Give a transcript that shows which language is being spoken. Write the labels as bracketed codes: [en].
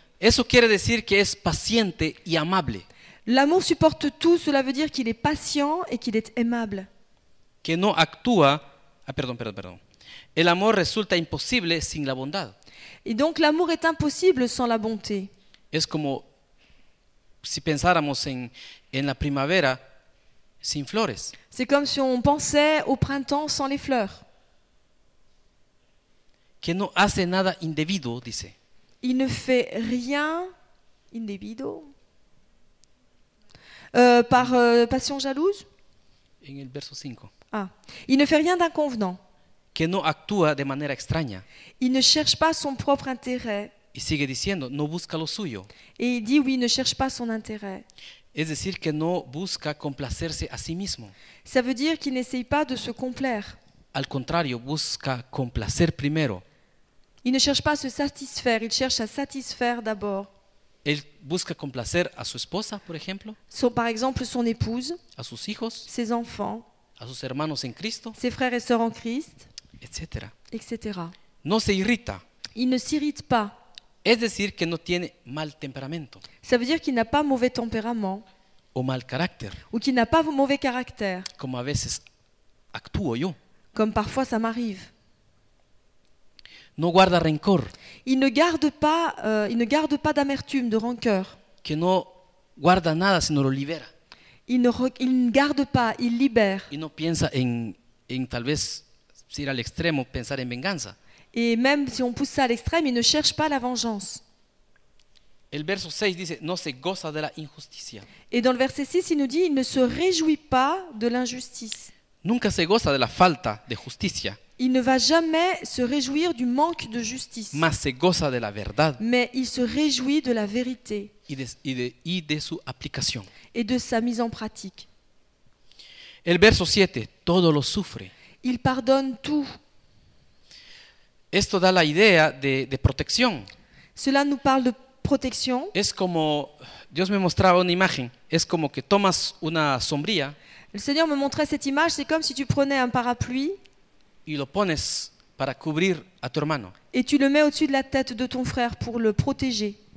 [es] Eso quiere decir que es paciente y amable. [fr] L'amour supporte tout. Cela veut dire qu'il est patient et qu'il est aimable. [es] Que no actúa. Ah, perdón. El amor resulta imposible sin la bondad. [fr] Et donc l'amour est impossible sans la bonté. [es] Es como si pensáramos en la primavera sin flores. [fr] C'est comme si on pensait au printemps sans les fleurs. [es] Que no hace nada indebido, dice. [fr] Il ne fait rien indebido. Passion jalouse. [es] En el verso 5. [fr] Ah, il ne fait rien d'inconvenant. [es] Que no actúa de manera extraña. [fr] Il ne cherche pas son propre intérêt. [es] Y sigue diciendo, no busca lo suyo. [fr] Et il dit, oui, il ne cherche pas son intérêt. [es] Es decir, que no busca complacerse a sí mismo. [fr] Ça veut dire qu'il n'essaye pas de se complaire. [es] Al contrario, busca complacer primero. [fr] Il ne cherche pas à se satisfaire, il cherche à satisfaire d'abord. [es] Él busca complacer a su esposa, por ejemplo. [fr] Par exemple, son épouse. [es] A sus hijos. [fr] Ses enfants. [es] A sus hermanos en Cristo, [fr] ses frères et sœurs en Christ, [es] etc. No se irrita. [fr] Il ne s'irrite pas. [es] Es decir que no tiene mal temperamento. [fr] Ça veut dire qu'il n'a pas mauvais tempérament. [es] O mal carácter. [fr] Ou qu'il n'a pas mauvais caractère. [es] Como a veces actúo yo. [fr] Comme parfois ça m'arrive. [es] No guarda rencor. [fr] Il ne garde pas d'amertume, de rancœur. [es] Que no guarda nada, sino lo libera. [fr] Il ne garde pas, il libère. [es] Y no piensa en tal vez ir al extremo, pensar en venganza. [fr] Et même si on pousse ça à l'extrême, il ne cherche pas la vengeance. [es] El verso 6 dice, no se goza de la injusticia. [fr] Et dans le verset 6, il nous dit, il ne se réjouit pas de l'injustice. [es] Nunca se goza de la falta de justicia. [fr] Il ne va jamais se réjouir du manque de justice. [es] Mas se goza de la verdad. [fr] Mais il se réjouit de la vérité. [es] Y de su aplicación. [fr] Et de sa mise en pratique. [es] El verso 7, todo lo sufre. [fr] Il pardonne tout. [es] Esto da la idea de protección. [fr] Cela nous parle de protection. [es] Es como Dios me mostraba una imagen, es como que tomas una sombrilla. [fr] Le Seigneur me montrait cette image, c'est comme si tu prenais un parapluie. [es] Y lo pones para cubrir a tu hermano. [fr] Et tu le mets au-dessus de la tête de ton frère pour le protéger.